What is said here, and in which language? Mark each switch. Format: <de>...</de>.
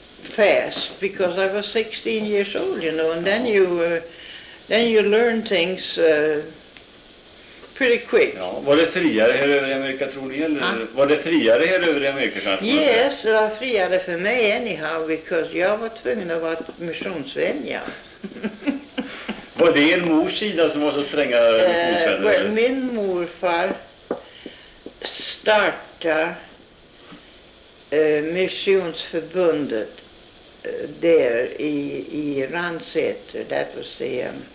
<en>fast because I was 16 years old, you know, and then you learn things pretty quick.</en> <sv>Ja, var det friare här över i Amerika tror ni eller ah. Var det friare här över i Amerika kanske?</sv> <en>Yes,</en> <sv>det var friare för mig</sv> <en>anyhow because</en> <sv>jag var tvungen att vara missionsvän, ja. Var det en mors sida som var så stränga missionsvänner? Well, min morfar startade missionsförbundet där i Ransäter,</sv> <en>that was the</en>